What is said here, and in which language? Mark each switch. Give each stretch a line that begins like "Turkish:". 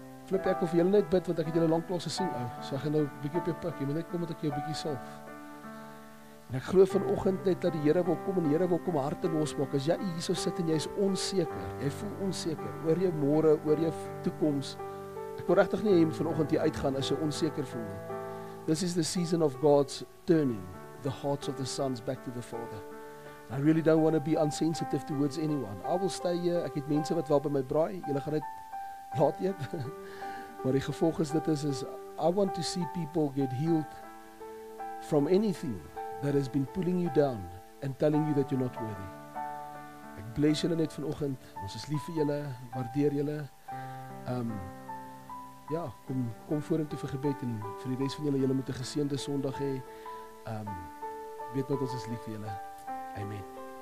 Afrikaans: Flip, ek wil vir julle net bid, want ek het julle lanklaas gesien, ou. So ek gaan nou bietjie op jou pik, jy moet net kom, want ek jou bietjie salf. En ek glo vanoggend net dat die Here wil kom, en die Here wil kom harte losmaak. As jy hier so sit en jy is onseker, jy voel onseker oor jou môre, oor jou toekoms. Ek wil regtig nie hê jy moet vanoggend hier uitgaan as jy onseker voel nie.
English: This is the season of God's turning the hearts of the sons back to the Father. I really don't want to be unsensitive towards anyone. I will stay here.
Afrikaans: Ek het mense wat wel by my braai. Julle gaan dit laat eet. Maar die gevolg is dit is,
English: I want to see people get healed from anything that has been pulling you down and telling you that you're not worthy.
Afrikaans: Ek bless julle net vanoggend. Ons is lief vir julle, waardeer julle. Kom vorentoe vir gebed en vir die res van julle, julle moet 'n geseënde Sondag hê. Weet wat, ons is lief vir julle. Amen.